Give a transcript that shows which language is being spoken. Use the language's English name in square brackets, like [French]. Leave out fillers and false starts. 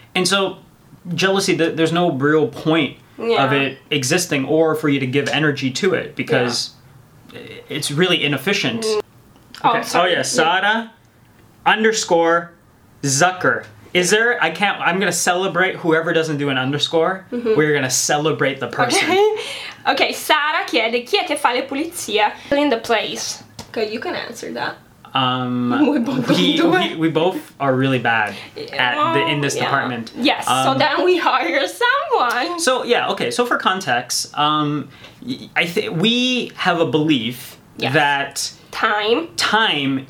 [English] And so jealousy, there's no real point of it existing or for you to give energy to it because it's really inefficient. Okay. Oh, yeah. Sada underscore Zucker. Is there, I'm going to celebrate whoever doesn't do an underscore. Mm-hmm. We're going to celebrate the person. [Italian] Okay, Sara chiede, chi è che fa le pulizie? [English] Clean the place. Okay, you can answer that. We both are really bad in this department. Yes, so then we hire someone. So, yeah, okay, so for context, we have a belief that time